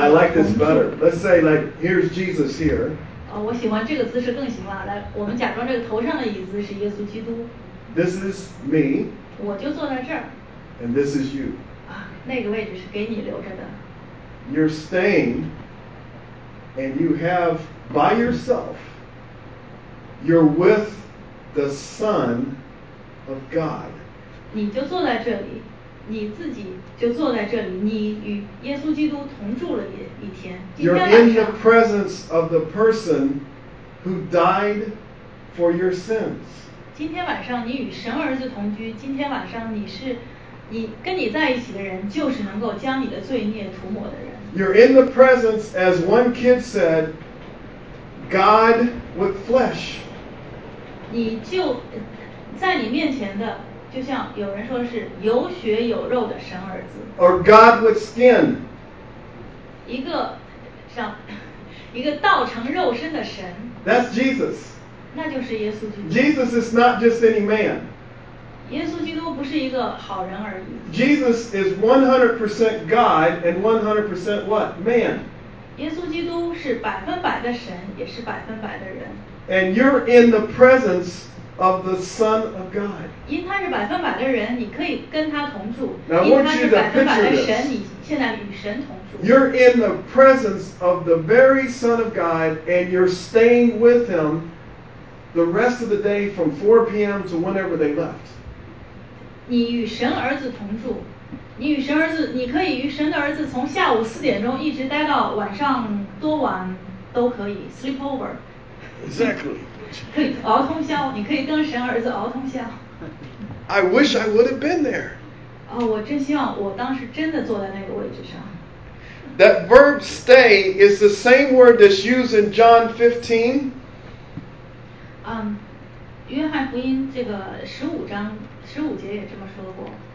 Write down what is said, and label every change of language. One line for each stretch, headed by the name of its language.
Chinese: 住。
English: Now I like this better. Let's say like, here's Jesus here.
Chinese: 我喜欢这个姿势更行了。来，我们假装这个头上的椅子是耶稣基督。
English: This is me.
Chinese: 我就坐在这儿。
English: And this is you.
Chinese: 那个位置是给你留着的。
English: You're staying and you have by yourself, you're with the Son of God.
Chinese: 你就坐在这里，你自己就坐在这里，你与耶稣基督同住了 一天。
English: You're in the presence of the person who died for your sins.
Chinese: 今天晚上你与神儿子同居，今天晚上你是你跟你在一起的人，就是能够将你的罪孽涂抹的人。
English: You're in the presence, as one kid said, God with flesh.
Chinese: 你就在你面前的，就像有人说是有血有肉的神儿子。
English: Or God with skin.
Chinese: 一个像一个道成肉身的神。
English: That's Jesus.
Chinese: 那就是耶稣基督。
English: Jesus is not just any man.
Chinese: 耶稣基督不是一个好人而已。
English: Jesus is 100% God and 100% what? Man.
Chinese: 耶稣基督是百分百的神，也是百分百的人。
English: And you're in the presence of the Son of God.
Chinese: 因他是百分百的人，你可以跟他同住。
English: Now I want you to picture this.
Chinese: 你现在与神同住。
English: You're in the presence of the very Son of God, and you're staying with him the rest of the day from 4 p.m. to whenever they left.
Chinese: 你与神儿子同住，你与神儿子，你可以与神的儿子从下午四点钟一直待到晚上多晚都可以 ，
English: sleep over. Exactly.
Chinese: 可以熬通宵，你可以跟神儿子熬通宵。
English: I wish I would have been there.
Chinese: 哦，我真希望我当时真的坐在那个位置上。
English: That verb stay is the same word that's used in John 15.
Chinese: 约翰福音这个十五章十五节也这么说过。